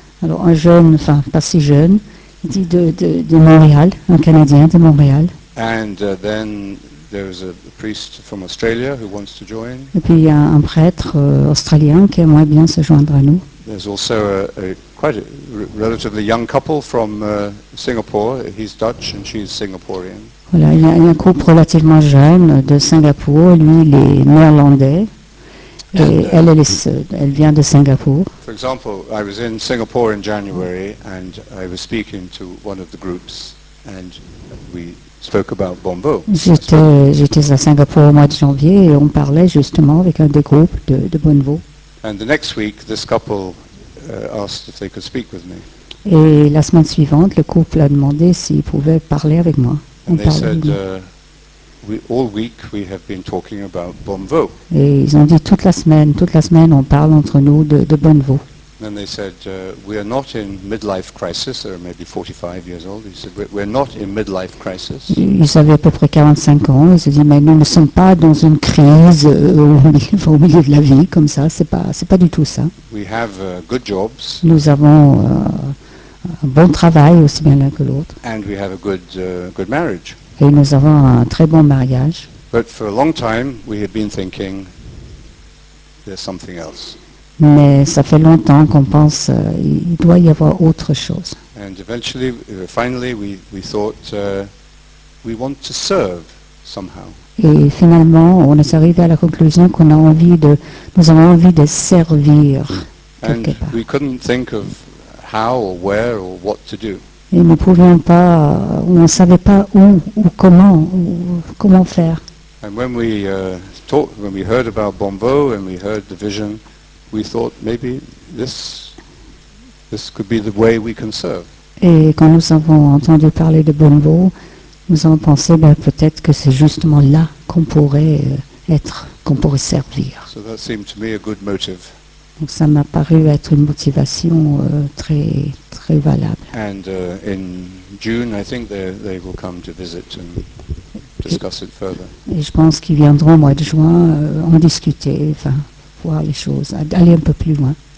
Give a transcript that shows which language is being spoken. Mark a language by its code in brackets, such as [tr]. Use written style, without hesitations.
[fr] Alors, un jeune, enfin, pas si jeune, dit de Montréal, un Canadien de Montréal. [en] And then there is a priest from Australia who wants to join. [fr] Et puis il y a un prêtre australien qui aimerait bien se joindre à nous. [en] There's also quite a relatively young couple from Singapore. He's Dutch and she's Singaporean. [fr] Voilà, il y a un couple relativement jeune de Singapour. Lui, il est néerlandais. Et elle vient de Singapour. [en] For example, I was in Singapore in January and I was speaking to one of the groups and we spoke about Bombo. [fr] J'étais à Singapour au mois de janvier et on parlait justement avec un des groupes de Bombo. [en] And the next week, this couple asked if they could speak with me. [fr] Et la semaine suivante, le couple a demandé s'il pouvait parler avec moi. [en] And they said, all week we have been talking about Bombo. [fr] Et ils ont dit toute la semaine, on parle entre nous de Bombo. [en] And they said, we are not in midlife crisis, they are maybe 45 years old, he said, we're not in midlife crisis. [fr] Ils avaient à peu près 45 ans, ils se disent, mais nous ne sommes pas dans une crise au milieu de la vie, comme ça, c'est pas du tout ça. [en] We have good jobs. [fr] Nous avons un bon travail, aussi bien l'un que l'autre. [en] And we have a good marriage. [fr] Et nous avons un très bon mariage. [en] But for a long time, we had been thinking, there's something else. [fr] Mais ça fait longtemps qu'on pense qu'il doit y avoir autre chose. [en] And eventually, finally, we thought we want to serve somehow. [fr] Et finalement, on est arrivé à la conclusion qu'on a envie de, nous avons envie de servir quelque [en] and [fr] part. [en] And we couldn't think of how or where or what to do. [fr] Et nous ne pouvions pas, on ne savait pas où, comment faire. [en] And when we talked, when we heard about Bombo and we heard the vision, we thought maybe this could be the way we can serve. [fr] Et quand nous avons entendu parler de Bombo, nous avons pensé ben, peut-être que c'est justement là qu'on pourrait servir. [en] So that seemed to me a good motive. [fr] Donc ça m'a paru être une motivation très très valable. [en] And in June, I think they will come to visit and discuss it further. [fr] Et je pense qu'ils viendront au mois de juin en discuter, enfin voir les choses, aller un peu plus loin.